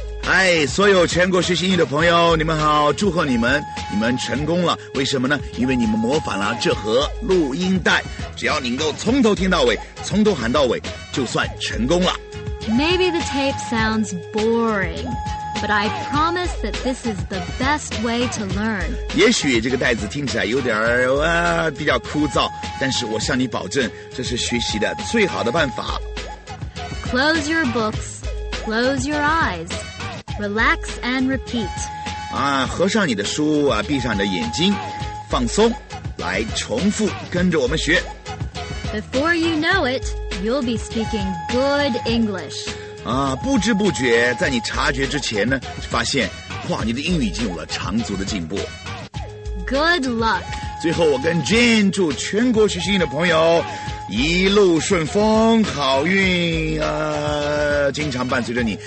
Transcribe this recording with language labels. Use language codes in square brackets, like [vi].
[zh] Hi, 所有全国学习英语的朋友，你们好，祝贺你们，你们成功了。为什么呢？因为你们模仿了这盒录音带，只要你能够从头听到尾，从头喊到尾，就算成功了。 [en] Maybe the tape sounds boring, but I promise that this is the best way to learn. [zh] 也许这个带子听起来有点比较枯燥，但是我向你保证，这是学习的最好的办法。 [en] Close your books. Close your eyes. Relax and repeat. [zh] 合上你的书啊，闭上你的眼睛，放松，来重复，跟着我们学。 [en] Before you know it, you'll be speaking good English. [zh] 不知不觉，在你察觉之前呢，发现，哇，你的英语已经有了长足的进步。 [en] Good luck. [zh] 最后，我跟 Jane 祝全国学习英语的朋友。一路顺风，好运啊！经常伴随着你。